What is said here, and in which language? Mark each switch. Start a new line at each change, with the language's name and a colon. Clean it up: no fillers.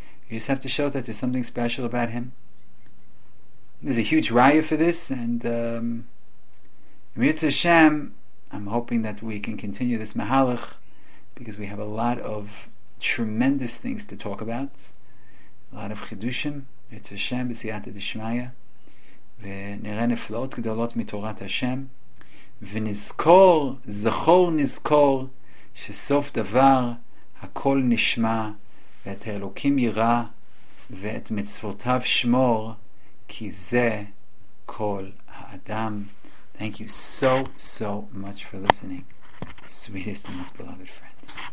English: You just have to show that there's something special about him. There's a huge raya for this, and Mirtz Hashem, I'm hoping that we can continue this mahalach, because we have a lot of tremendous things to talk about. A lot of chidushim. Mirtz Hashem, b'siyata d'shmaya.
Hebrew: ונראה נפלאות גדולות מתורת השם ונזכור זכור נזכור שסוף דבר הכל נשמע ואת האלוקים יראה ואת מצוותיו שמור כי זה כל האדם.
English: Thank you so much for listening, sweetest and most beloved friends.